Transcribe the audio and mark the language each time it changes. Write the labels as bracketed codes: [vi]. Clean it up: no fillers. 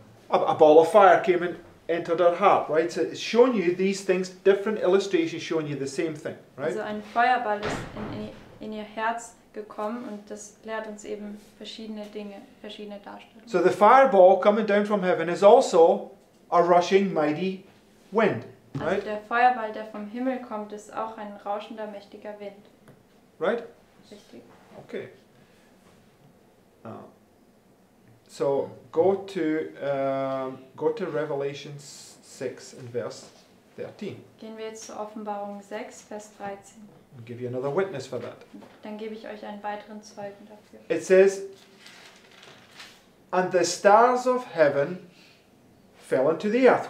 [en] A ball of fire came and entered her heart, right? So it's showing you these things, different illustrations showing you the same thing, right? [de] Also ein Feuerball ist in ihr Herz gekommen und das lehrt uns eben verschiedene Dinge, verschiedene Darstellungen. [en] So the fireball coming down from heaven is also a rushing mighty wind, right? [de] Also der Feuerball, der vom Himmel kommt, ist auch ein rauschender, mächtiger Wind. [en] Right? [de] Richtig. [en] Okay. So go to Revelation 6 and verse 13. [de] Gehen wir jetzt zur Offenbarung 6, Vers 13. [en] And give you another witness for that. [de] Dann gebe ich euch einen weiteren Zeugen dafür. [en] It says, and the stars of heaven fell into the earth.